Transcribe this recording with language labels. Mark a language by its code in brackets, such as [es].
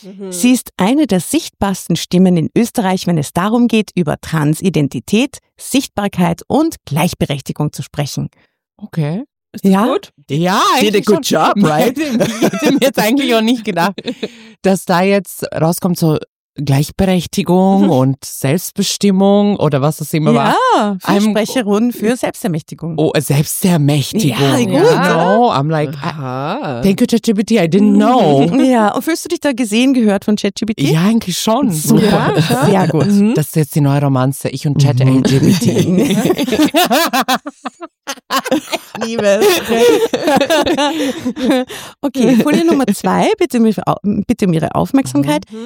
[de] Sie ist eine der sichtbarsten Stimmen in Österreich, wenn es darum geht, über Transidentität, Sichtbarkeit und Gleichberechtigung zu sprechen. Okay. Ist das gut? Ja, eigentlich [en] did a good [de] schon. [en] Job, right? [de] Ich hätte mir jetzt eigentlich auch nicht gedacht, dass da jetzt rauskommt so Gleichberechtigung und Selbstbestimmung oder was das immer war. Ja, Fürsprecherin für Selbstermächtigung. Oh, Selbstermächtigung. Ja, gut. Ja. [en] No, I'm like, thank you, ChatGPT, I didn't know. [de] Ja, und fühlst du dich da gesehen, gehört von ChatGPT? Ja, eigentlich schon. Super. Ja, sehr gut. Das ist jetzt die neue Romanze, ich und ChatGPT. Liebe. Okay, Folie Nummer 2, bitte um Ihre Aufmerksamkeit.